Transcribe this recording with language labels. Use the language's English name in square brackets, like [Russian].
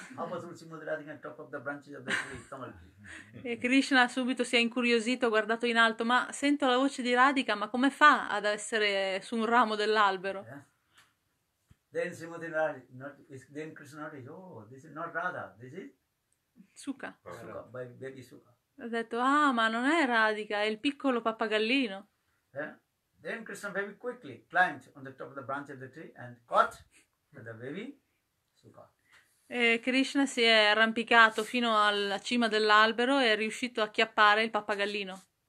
[English] How possible Srimati Radhika on top of the branches of the tree, Tamal tree? [Italian] E Krishna subito si è incuriosito, ha guardato in alto, ma sento la voce di Radhika, ma come fa ad essere su un ramo dell'albero? [English] Then Srimati Radhika, then Krishna dice, oh, this is not Radha, this is? Suka. Sukha, baby Sukha. [Italian] Ha detto, ah, ma non è Radhika, è il piccolo pappagallino. [English] Then Krishna very quickly climbed on the top of the branch of the tree and caught the baby Sukha. [Italian] E Krishna si è arrampicato fino alla cima dell'albero e è riuscito a acchiappare il pappagallino.